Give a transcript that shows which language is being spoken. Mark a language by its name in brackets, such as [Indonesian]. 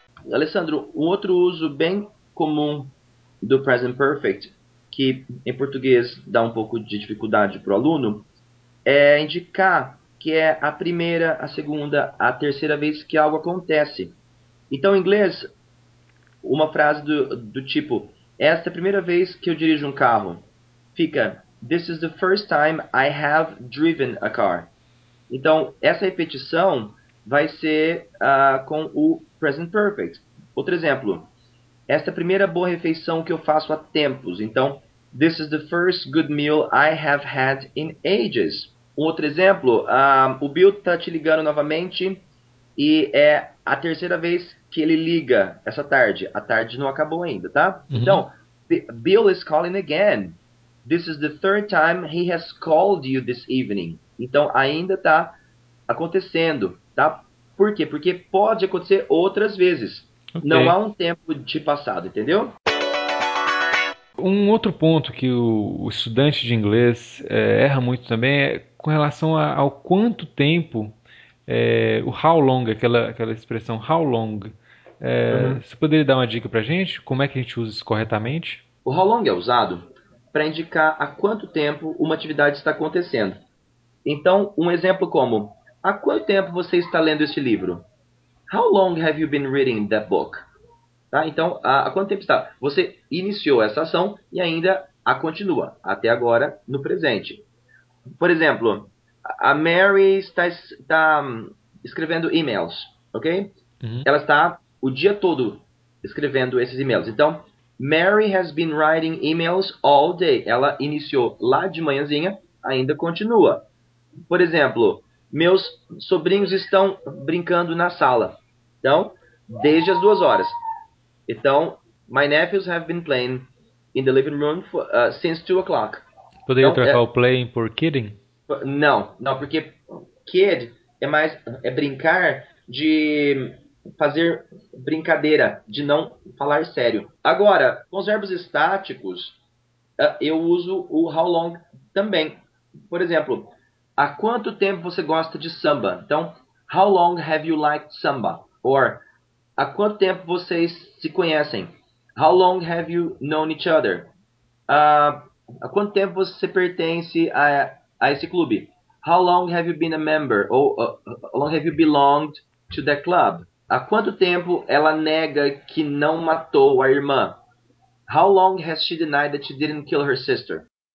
[Portuguese] Alessandro, um outro uso bem comum do present perfect, que em português dá um pouco de dificuldade para o aluno, indicar que é a primeira, a segunda, a terceira vez que algo acontece. Então, em inglês, uma frase do tipo: esta é a primeira vez que eu dirijo um carro. [English] Fica: this is the first time I have driven a car. [Portuguese] Então, essa repetição vai ser com o present perfect. Outro exemplo: esta é a primeira boa refeição que eu faço há tempos. [English] Então, this is the first good meal I have had in ages. [Portuguese] Um outro exemplo: o Bill está te ligando novamente e é a terceira vez que ele liga essa tarde. A tarde não acabou ainda, tá? Então, [English] Bill is calling again. This is the third time he has called you this evening. [Portuguese] Então, ainda está acontecendo, tá? Por quê? Porque pode acontecer outras vezes. Não há um tempo de passado, entendeu? Um outro ponto que o estudante de inglês erra muito também é com relação ao quanto tempo, o how long, aquela expressão how long. Você poderia dar uma dica para a gente? Como é que a gente usa isso corretamente? O how long é usado para indicar há quanto tempo uma atividade está acontecendo. Então, um exemplo como: há quanto tempo você está lendo este livro? [English] How long have you been reading that book? [Portuguese] Tá? Então, há quanto tempo está? Você iniciou essa ação e ainda a continua, até agora, no presente. Por exemplo, a Mary está escrevendo e-mails, ok? Ela está o dia todo escrevendo esses e-mails. [English] Então, Mary has been writing e-mails all day. [Portuguese] Ela iniciou lá de manhãzinha, ainda continua. Por exemplo, meus sobrinhos estão brincando na sala. Então, desde as 2 horas. [English] Então, my nephews have been playing in the living room since 2 o'clock. [Portuguese] Poderia trocar o playing por kidding? Não, porque kid é brincar de fazer brincadeira, de não falar sério. Agora, com os verbos estáticos, eu uso o how long também. Por exemplo, há quanto tempo você gosta de samba? Então, [English] how long have you liked samba? Or, [Portuguese] há quanto tempo vocês se conhecem? [English] How long have you known each other? [Portuguese] Há quanto tempo você pertence a esse clube? [English] How long have you been a member? Ou, how long have you belonged to that club? [Portuguese] Há quanto tempo ela nega que não matou a irmã? [English] How long has she denied that she didn't kill her sister?